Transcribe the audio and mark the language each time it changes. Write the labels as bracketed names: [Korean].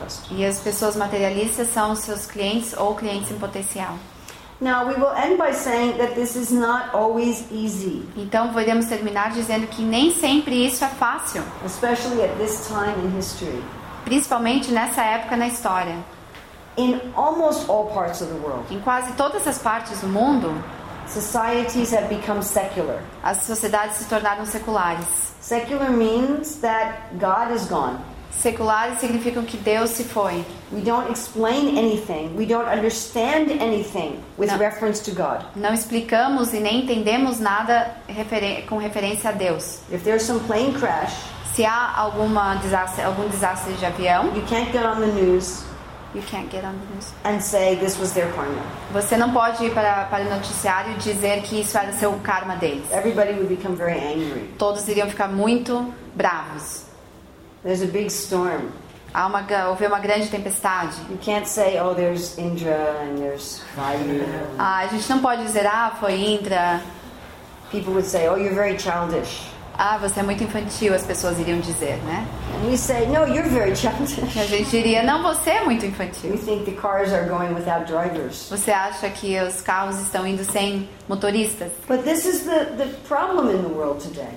[Portuguese] E as pessoas materialistas são os seus clientes ou clientes em potencial. [English] Now we will end by saying that this is not always easy. [Portuguese] Então vamos terminar dizendo que nem sempre isso é fácil. [English] Especially at this time in history. [Portuguese] Principalmente nessa época na história. [English] In almost all parts of the world, [Portuguese] em quase todas as partes do mundo, [English] societies have become secular. [Portuguese] As sociedades se tornaram seculares. [English] Secular means that God is gone. [Portuguese] Seculares significam que Deus se foi. [English] We don't explain anything. We don't understand anything with reference to God. [Portuguese] Não explicamos e nem entendemos nada com referência a Deus. [English] If there's some plane crash, [Portuguese] se há algum desastre de avião, [English] you can't get on the news. You can't get on the news. And say this was their karma. [Portuguese] Você não pode ir para o noticiário e dizer que isso era seu karma deles. [English] Everybody would become very angry. [Portuguese] Todos iriam ficar muito bravos. [English] There's a big storm. [Portuguese] Houve uma grande tempestade. [English] You can't say, oh, there's Indra and there's Vayu. [Portuguese] Ah, a gente não pode dizer, ah, foi Indra. [English] People would say, oh, you're very childish. [Portuguese] Ah, você é muito infantil, as pessoas iriam dizer, né? [English] And we say, no, you're very childish. [Portuguese] A gente diria, não, você é muito infantil. [English] We think the cars are going without drivers. [Portuguese] Você acha que os carros estão indo sem motoristas? [English] But this is the problem in the world today.